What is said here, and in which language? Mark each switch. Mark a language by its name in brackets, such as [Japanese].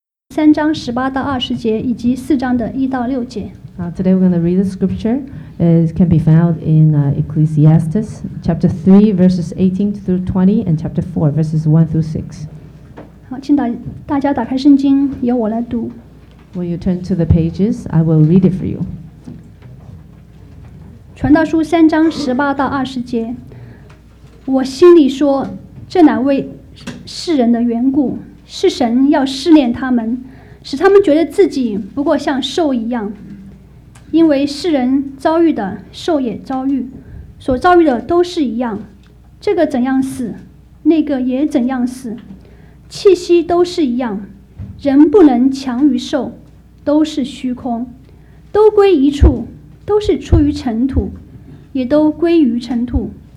[Chinese] 三章十八到二十节以及四章的一到六节。 [English] Today we're going to read the scripture. It can be found in Ecclesiastes chapter 3 verses 18 through 20 and chapter 4 verses 1 through 6. [Chinese] 好，请大家打开圣经，由我来读。 [English] When you turn to the pages, I will read it for you. [Chinese] 传道书三章十八到二十节，我心里说，这乃为世人的缘故，是神要试炼他们，使他们觉得自己不过像兽一样。因为世人遭遇的，兽也遭遇，所遭遇的都是一样，这个怎样死，那个也怎样死，气息都是一样，人不能强于兽，都是虚空，都归一处，都是出于尘土，也都归于尘土。